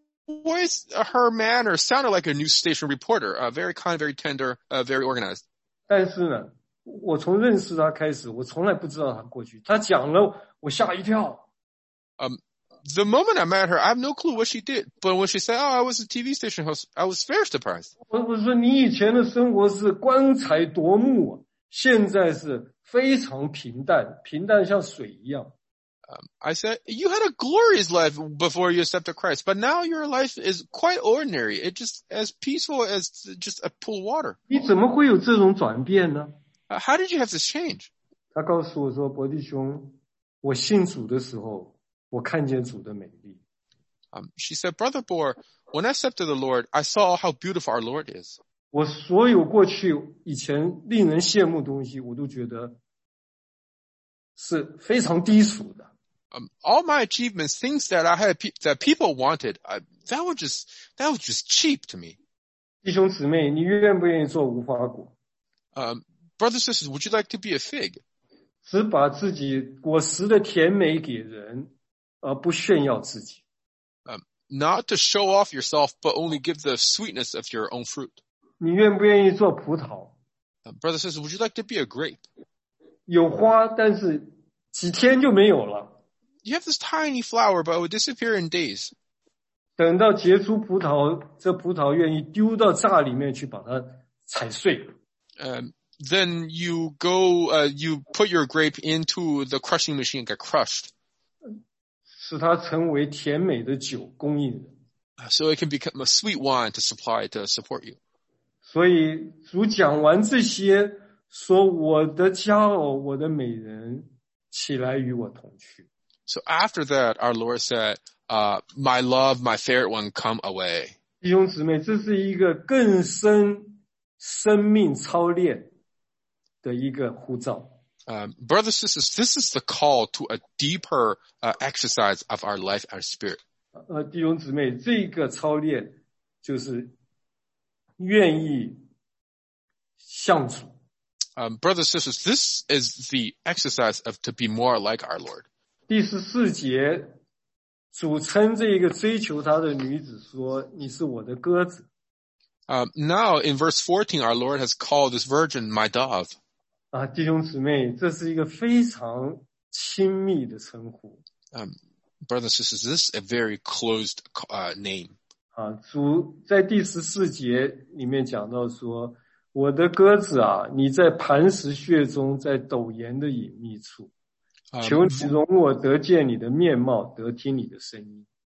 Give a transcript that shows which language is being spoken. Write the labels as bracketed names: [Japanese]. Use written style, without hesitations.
[English] Her manner sounded like a news station reporter, very kind, very tender, very organized. [Chinese] 但是呢我从认识他开始我从来不知道他过去他讲了我吓一跳。 [English] The moment I met her, I have no clue what she did, but when she said, oh, I was a TV station host, I was very surprised. [Chinese] 我说你以前的生活是光彩夺目啊。现在是非常平淡平淡像水一样。 [English] I said, you had a glorious life before you accepted Christ, but now your life is quite ordinary. It's just as peaceful as just a pool of water. [Chinese] 你怎么会有这种转变呢 [English] How did you have this change? [Chinese] 他告诉我说伯弟兄我信主的时候我看见主的美丽。 [English] She said, Brother Bor, when I accepted the Lord, I saw how beautiful our Lord is. [Chinese] 我所有过去以前令人羡慕的东西我都觉得是非常低俗的。 [English] All my achievements, things that I had, that people wanted, that was just cheap to me. [Chinese] 弟兄姊妹你愿不愿意做无花果 [English] Brothers and sisters, would you like to be a fig? [Chinese] 只把自己果实的甜美给人而不炫耀自己。 [English] Not to show off yourself, but only give the sweetness of your own fruit. [Chinese] 你愿不愿意做葡萄 [English] Brother says, would you like to be a grape? [Chinese] 有花但是几天就没有了。 [English] You have this tiny flower, but it will disappear in days. [Chinese] 等到结出葡萄这葡萄愿意丢到榨里面去把它踩碎。 [English] Then you go, you put your grape into the crushing machine and get crushed. [Chinese] 使它成为甜美的酒供应人。 [English] So it can become a sweet wine to supply, to support you. [Chinese] 所以主讲完这些说我的佳偶我的美人起来与我同去。 [English] So after that, our Lord said, my love, my favorite one, come away. [Chinese] 弟兄姊妹这是一个更深生命操练的一个呼召。 [English] Brothers, sisters, this is the call to a deeper, exercise of our life, our spirit. [Chinese] 弟兄姊妹这个操练就是愿意向主。 [English] Brothers, sisters, this is the exercise of to be more like our Lord. [Chinese] 第十四节，主称这一个追求他的女子说：“你是我的鸽子。” [English] Now in verse 14, our Lord has called this virgin my dove. [Chinese] 弟兄姊妹，这是一个非常亲密的称呼。 [English] Brothers, sisters, this is a very closed name. [Chinese] 主在第十四节里面讲到说我的鸽子啊你在磐石穴中在陡岩的隐秘处求你容我得见你的面貌得听你的声音。